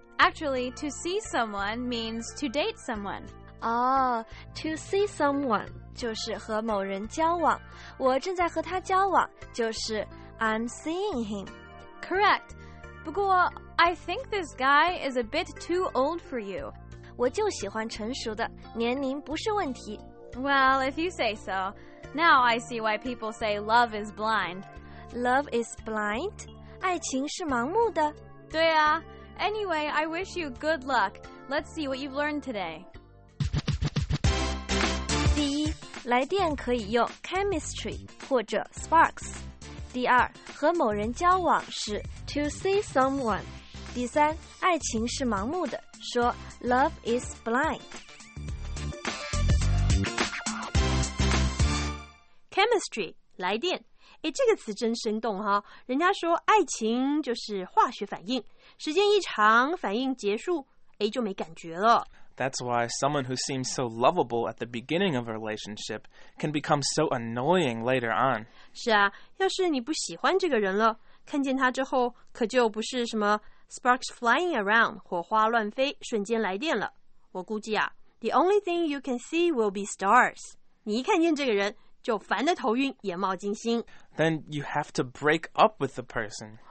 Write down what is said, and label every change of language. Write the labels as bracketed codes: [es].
[en] Actually, to see someone means to date someone. To see someone [zh] 就是和某人交往，我正在和他交往，就是 [en] I'm seeing him. Correct. 不过 I think this guy is a bit too old for you. [zh] 我就喜欢成熟的，年龄不是问题。 [en] Well, if you say so. Now I see why people say love is blind. Love is blind? [zh] 爱情是盲目的？ [en] 对啊。Anyway, I wish you good luck. Let's see what you've learned today. [zh] 第一，来电可以用 chemistry 或者 sparks。第二，和某人交往是 [en] to see someone。 [zh] 第三，爱情是盲目的，说 [en] love is blind。 [zh] chemistry 来电，哎，这个词真生动哈！人家说爱情就是化学反应，时间一长，反应结束，哎，就没感觉了。 [en] That's why someone who seems so lovable at the beginning of a relationship can become so annoying later on. [zh] 是啊，要是你不喜欢这个人了，看见他之后可就不是什么 [en] sparks flying around, [zh] 火花乱飞，瞬间来电了。我估计啊， [en] the only thing you can see will be stars. [zh] 你一看见这个人就烦得头晕，眼冒金星。 [en] Then you have to break up with the person.